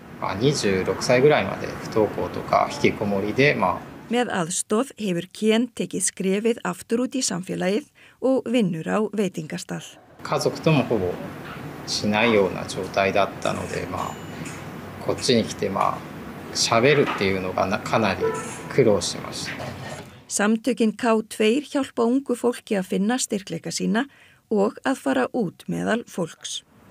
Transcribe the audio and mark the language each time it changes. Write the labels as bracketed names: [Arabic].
[Japanese] 26歳ぐらいまで不登校とか引きこもりで [Icelandic] Með aðstoð hefur Ken tekið skrefið aftur út í samfélagið og vinnur á veitingastall. [Japanese] 家族ともほぼしないような状態だったので、こっちに来て [Icelandic] Samtökin K2 hjálpa ungu fólki að finna styrkleika sína og að fara út meðal fólks.